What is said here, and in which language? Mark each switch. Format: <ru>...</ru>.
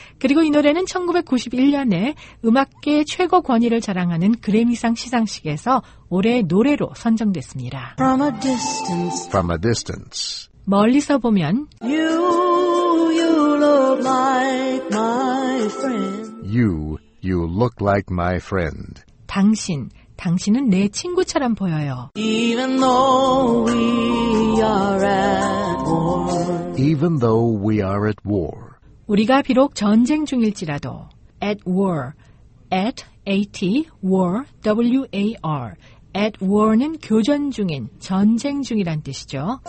<ko>그리고 이 노래는 1991년에 음악계의 최고 권위를 자랑하는 그래미상 시상식에서 올해의 노래로 선정됐습니다.</ko> <en>From a distance. From a distance.</en> <ko>멀리서 보면</ko> <en>you look like my friend. You look like my friend.</en> <ko>당신은 내 친구처럼 보여요.</ko> <en>Even though we are at war. even though we are at war.</en> <ko>우리가 비록 전쟁 중일지라도</ko> <en>at war, at A-T, war, W-A-R.</en> <ko>At war는 교전 중인, 전쟁 중이란 뜻이죠.</ko>